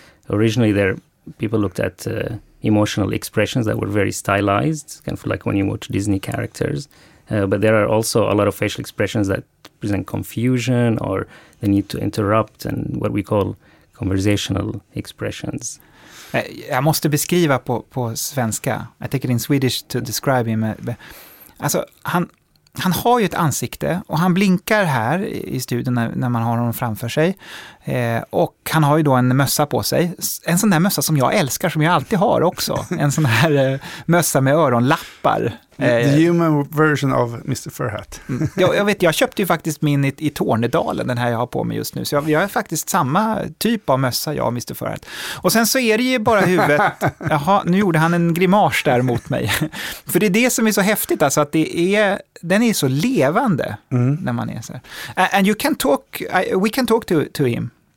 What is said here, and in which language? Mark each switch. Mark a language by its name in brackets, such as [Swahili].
[English] Originally, people looked at emotional expressions that were very stylized, kind of like when you watch Disney characters. But there are also a lot of facial expressions that present confusion or the need to interrupt, and what we call conversational expressions. [Swedish] Jag måste beskriva på svenska. [English] I take it in Swedish to describe him. [Swedish] Alltså, han har ju ett ansikte och han blinkar här i studion när man har honom framför sig. Och han har ju då en mössa på sig. En sån där mössa som jag älskar, som jag alltid har också. En sån här mössa med öronlappar. [English] The human version of Mr. Ferhat. [Swedish] Jag köpte ju faktiskt min i Tornedalen, den här jag har på mig just nu. Så jag är faktiskt samma typ av mössa, jag och Mr. Ferhat. Och sen så är det ju bara huvudet. Jaha, nu gjorde han en grimas där mot mig. För det är det som är så häftigt, alltså att den är så levande när man är så här. [English] And you can talk, we can talk to him.